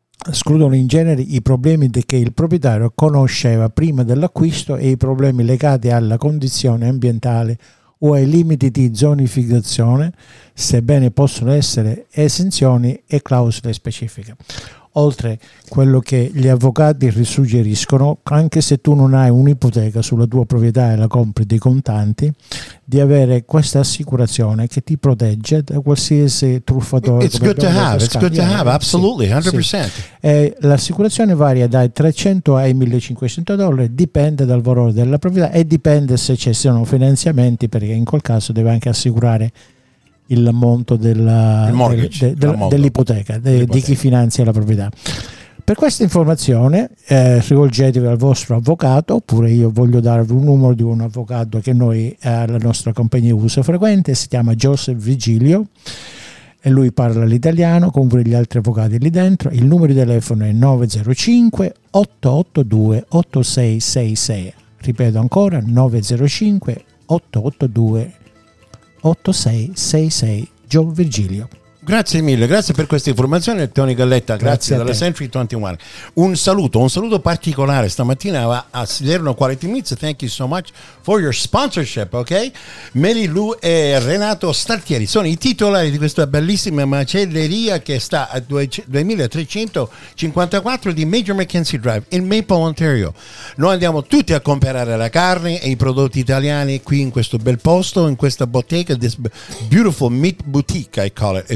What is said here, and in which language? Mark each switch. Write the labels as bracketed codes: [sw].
[it] escludono in genere i problemi che il proprietario conosceva prima dell'acquisto e i problemi legati alla condizione ambientale o ai limiti di zonificazione, sebbene possono essere esenzioni e clausole specifiche. Oltre quello che gli avvocati risuggeriscono, anche se tu non hai un'ipoteca sulla tua proprietà e la compri dei contanti, di avere questa assicurazione che ti protegge da qualsiasi truffatore. [en] It's good to have, it's good to have, absolutely, 100%. [it] Sì. E l'assicurazione varia dai 300 ai 1500 dollari, dipende dal valore della proprietà e dipende se ci siano finanziamenti, perché in quel caso deve anche assicurare il monto dell'ipoteca, di chi finanzia la proprietà. Per questa informazione rivolgetevi al vostro avvocato, oppure io voglio darvi un numero di un avvocato che noi alla nostra compagnia usa frequente, si chiama Joseph Vigilio, e lui parla l'italiano con gli altri avvocati lì dentro. Il numero di telefono è 905 882 8666, ripeto ancora 905 882 8666, Gio Virgilio. Grazie mille, grazie per questa informazione, Tony Galletta. Grazie dalla Century 21. Un saluto particolare stamattina a Salerno Quality Meats. [en] Thank you so much for your sponsorship, ok? [it] Mary Lou e Renato Staltieri sono i titolari di questa bellissima macelleria che sta a 2354 di Major Mackenzie Drive in Maple, Ontario. Noi andiamo tutti a comprare la carne e i prodotti italiani qui in questo bel posto, in questa bottega, [en] this beautiful meat boutique, I call it.